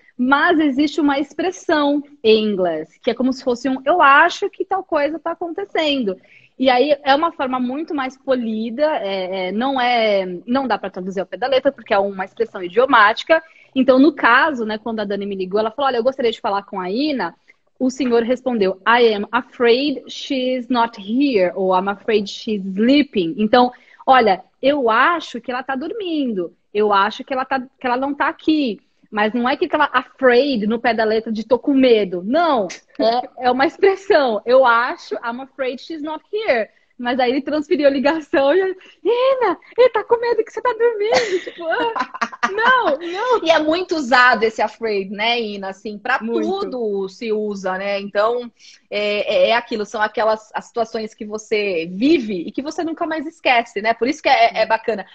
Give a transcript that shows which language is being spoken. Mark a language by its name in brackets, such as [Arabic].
[Portuguese] Mas existe uma expressão em inglês, que é como se fosse um eu acho que tal coisa tá acontecendo. E aí é uma forma muito mais polida, não dá para traduzir ao pé da letra, porque é uma expressão idiomática. Então, no caso, né, quando a Dani me ligou, ela falou, olha, eu gostaria de falar com a Ina. O senhor respondeu, [English] I am afraid she's not here, [Portuguese] ou [English] I'm afraid she's sleeping. [Portuguese] Então, olha, eu acho que ela tá dormindo, eu acho que ela não tá aqui. Mas não é que ela afraid no pé da letra de tô com medo. Não, é uma expressão. Eu acho, [English] I'm afraid she's not here. [Portuguese] Mas aí ele transferiu a ligação e Ina, ele tá com medo que você tá dormindo. Tipo, não, não. E é muito usado esse afraid, né, Ina? Assim, pra tudo se usa, né? Então, é aquilo. São aquelas as situações que você vive e que você nunca mais esquece, né? Por isso que é bacana.